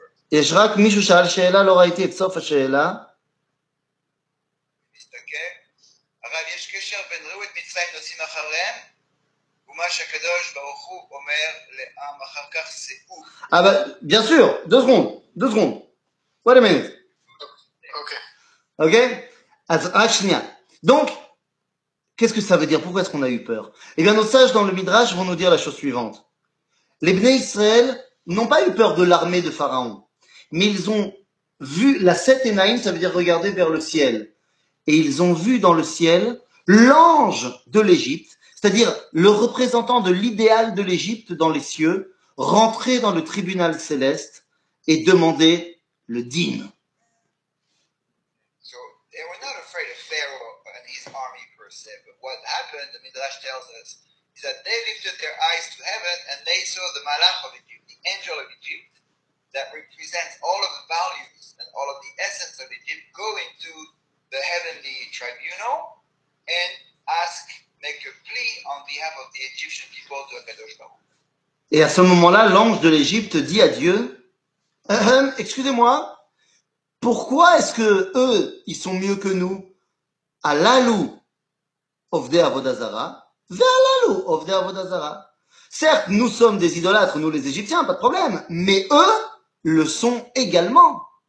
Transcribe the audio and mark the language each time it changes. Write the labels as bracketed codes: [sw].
[he] יש רק מישהו שאל שאלה, לא ראיתי את סוף השאלה. אבל יש קשר בין ראו את מצרים נוסעים אחריהם ומה שהקדוש ברוך הוא אומר לעם אחר כך זה אוף. אבל, [fr] bien sûr, deux secondes. [en] Wait a minute. Okay. [he] אז רק שנייה. [fr] Donc, qu'est-ce que ça veut dire? Pourquoi est-ce qu'on a eu peur? Eh bien, nos sages dans le Midrash vont nous dire la chose suivante. Les Bnei Israël n'ont pas eu peur de l'armée de Pharaon, mais ils ont vu la Seth et Naïm, ça veut dire regarder vers le ciel. Et ils ont vu dans le ciel l'ange de l'Égypte, c'est-à-dire le représentant de l'idéal de l'Égypte dans les cieux, rentrer dans le tribunal céleste et demander le dîn. [en] So they were not afraid of Pharaoh and his army per se, but what happened, the Midrash tells us, is that they lifted their eyes to heaven and they saw the Malach of Egypt, the angel of Egypt, that represents all of the values and all of the essence of Egypt going to the heavenly tribunal and make a plea on behalf of the Egyptian people to Akadosh Baruch. [fr] Et à ce moment-là, l'ange de l'Égypte dit à Dieu, excusez-moi, pourquoi est-ce que eux, ils sont mieux que nous? [he] Alalu ofde avodazara, ve'alalu ofde avodazara. [fr] Certes, nous sommes des idolâtres, nous les Égyptiens, pas de problème, mais eux le sont également.